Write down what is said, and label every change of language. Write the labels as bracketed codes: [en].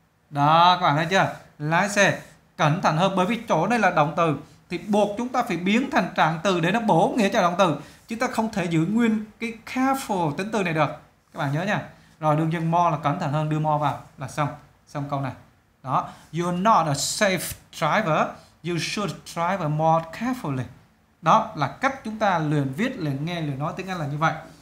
[vi] Đó, các bạn thấy chưa? Lái xe cẩn thận hơn, bởi vì chỗ này là động từ thì buộc chúng ta phải biến thành trạng từ để nó bổ nghĩa cho động từ. Chúng ta không thể giữ nguyên cái careful tính từ này được. Các bạn nhớ nha. Rồi đương nhiên more là cẩn thận hơn, đưa more vào là xong. Xong câu này. [en] Đó, you're not a safe driver, you should drive more carefully. [vi] Đó là cách chúng ta luyện viết, luyện nghe, luyện nói tiếng Anh là như vậy.